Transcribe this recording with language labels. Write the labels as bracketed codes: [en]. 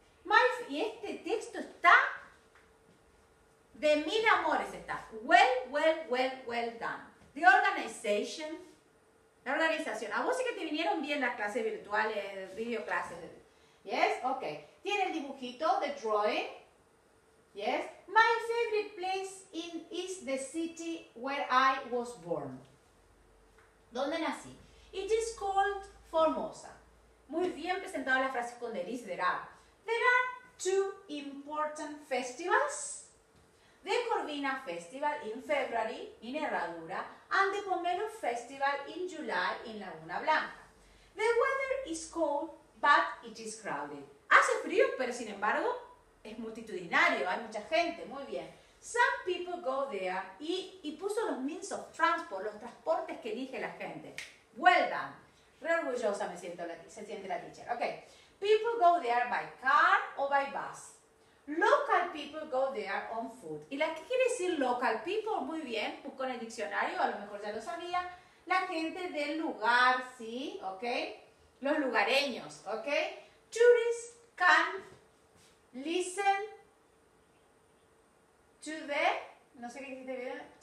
[es] Mike, y este texto está de mil amores, está. [en] Well done. The organization. [es] La organización. A vos sí que te vinieron bien las clases virtuales, video clases. Yes, ok. Tiene el dibujito, [en] the drawing. [es] Yes. [en] My favorite place in is the city where I was born. [es] ¿Dónde nací? [en] It is called Formosa. [es] Muy bien presentado la frase con Denise. [en] There are two important festivals. The Corvina Festival in February, in Herradura, and the Pomelo Festival in July, in Laguna Blanca. The weather is cold, but it is crowded. [es] Hace frío, pero sin embargo, es multitudinario, hay mucha gente, muy bien. [en] Some people go there, y puso los means of transport, [es] los transportes que elige la gente. [en] Well done. [es] Re orgullosa me siento, se siente la teacher. Okay. [en] People go there by car or by bus. Local people go there on foot. [es] ¿Y la qué quiere decir [en] local people? [es] Muy bien, busco en el diccionario, a lo mejor ya lo sabía. La gente del lugar, ¿sí? ¿Ok? Los lugareños, ¿ok? [en] Tourists can listen to the... [es] No sé qué dijiste bien.